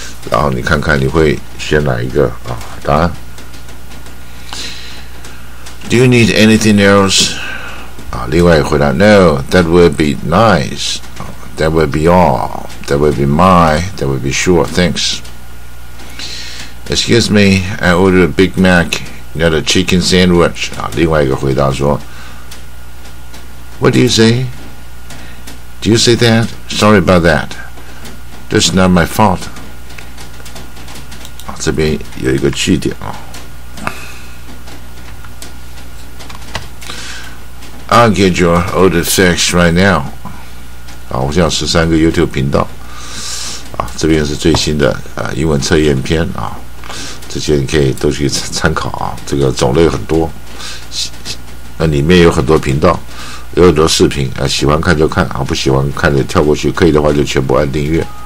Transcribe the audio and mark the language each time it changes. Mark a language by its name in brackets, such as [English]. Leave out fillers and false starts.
[Chinese] 然后你看看你会选哪一个答案。 [English] Do you need anything else? [Chinese] 另外回答 [English] No, that would be nice That would be all That would be mine That would be sure, thanks Excuse me, I ordered a Big Mac Not a chicken sandwich [Chinese] 另外一个回答说 [English] What do you say? Do you say that? Sorry about that That's not my fault [Chinese] 这边有一个句点 [English] I'll get your order fixed right now. [Chinese] 我叫13个 YouTube 频道。这边是最新的英文测验篇这些你可以都去参考这个种类很多。里面有很多频道，有很多视频喜欢看就看不喜欢看就跳过去，可以的话就全部按订阅。